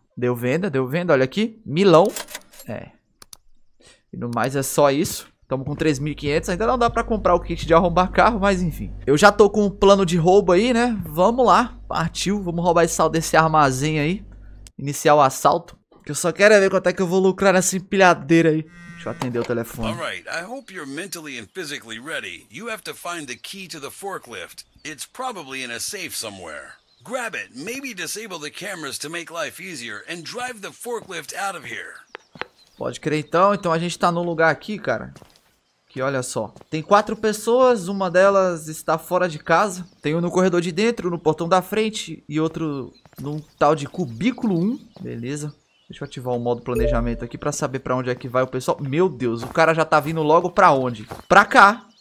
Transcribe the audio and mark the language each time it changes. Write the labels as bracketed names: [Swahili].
[Portuguese] Deu venda, olha aqui. Milão. É. E no mais é só isso. Tamo com 3.500, ainda não dá pra comprar o kit de arrombar carro, mas enfim. Eu já tô com um plano de roubo aí, né? Vamos lá, partiu. Vamos roubar esse sal desse armazém aí. Iniciar o assalto. Que eu só quero ver quanto é que eu vou lucrar nessa empilhadeira aí. Deixa eu atender o telefone. [English] All right, I hope you're mentally and physically ready. You have to find the key to the forklift. It's probably in a safe somewhere. Grab it, maybe disable the cameras to make life easier and drive the forklift out of here. [Portuguese] Pode crer então. Então a gente tá num lugar aqui, cara. Que olha só. Tem quatro pessoas, uma delas está fora de casa. Tem um no corredor de dentro, no portão da frente. E outro num tal de cubículo 1. Beleza. Deixa eu ativar o modo planejamento aqui pra saber pra onde é que vai o pessoal. Meu Deus, o cara já tá vindo logo pra onde? Pra cá.